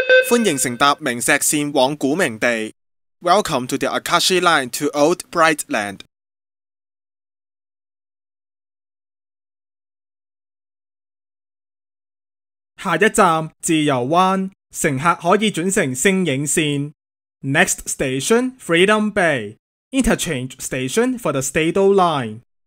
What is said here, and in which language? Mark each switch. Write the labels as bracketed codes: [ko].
[zh] 欢迎乘搭明石线往古明地。 [en] Welcome to the Akashi Line to Old Brightland. [zh] 下一站自由湾，乘客可以转乘星影线。 [en] Next station Freedom Bay, interchange station for the Stado Line.